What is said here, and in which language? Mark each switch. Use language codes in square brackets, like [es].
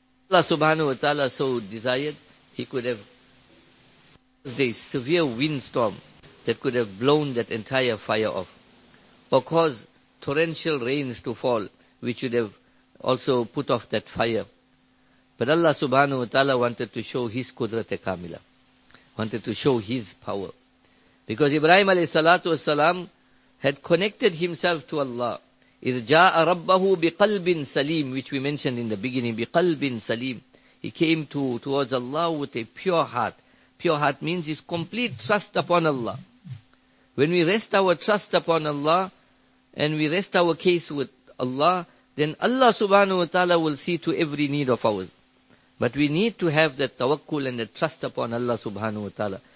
[en] Allah subhanahu wa ta'ala so desired, he could have caused a severe windstorm that could have blown that entire fire off, or caused torrential rains to fall, which would have also put off that fire. But Allah subhanahu wa ta'ala wanted to show his qudrat kamila, wanted to show his power. Because Ibrahim alayhi salatu wasalam had connected himself to Allah. [ar] إِذْ جَاءَ رَبَّهُ بِقَلْبٍ سَلِيمٍ, [en] which we mentioned in the beginning, [ar] بِقَلْبٍ سَلِيمٍ. [en] He came towards Allah with a pure heart. Pure heart means his complete trust upon Allah. When we rest our trust upon Allah, and we rest our case with Allah, then Allah subhanahu wa ta'ala will see to every need of ours. But we need to have that tawakkul and that trust upon Allah subhanahu wa ta'ala.